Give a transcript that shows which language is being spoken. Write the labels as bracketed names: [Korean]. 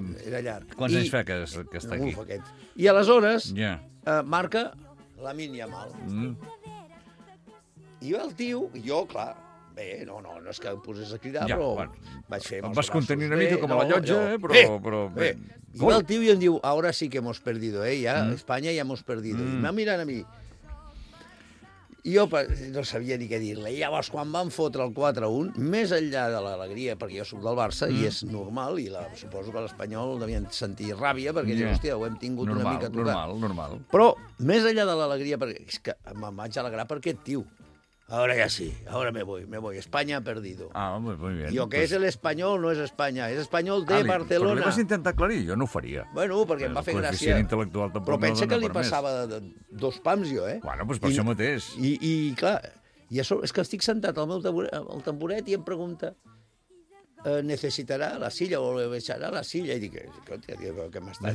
[Catalan] Era llarg. Quants anys fa que està aquí? Aquest. I aleshores, marca Lamine Yamal. I el tio, jo, clar... No és que em posés a cridar, ja, però bueno, vaig fer... Em vas contenir una mica com a la llotja, però bé. I va el tio i em diu, ara sí que [Spanish] hemos perdido, [Catalan] ja, Espanya ja hemos perdido. I m'ha mirant a mi. I jo no sabia ni què dir-li. I llavors, quan van fotre el 4-1, més enllà de l'alegria, perquè jo sóc del Barça, i és normal, i suposo que l'Espanyol devien sentir ràbia, perquè dius, hòstia, ho hem tingut normal, una mica tocat. Normal. Però, més enllà de l'alegria, perquè és que me'n vaig alegrar per aquest tio. [Spanish] Ahora ya sí, ahora me voy. España ha perdido. Ah, muy bien. Yo, que pues... es el español, no es España, es español de Barcelona. [Catalan] Però li vas intentar aclarir, jo no ho faria. Bueno, perquè em va fer gràcia. Coeficient intel·lectual tampoc. Però pensa no que li passava de dos pams, jo, eh? Bueno, pues per això mateix. I clar, i això, és que estic sentat al meu tamboret i em pregunta... necessitarà la silla o deixarà la silla? I dic, què m'està dient?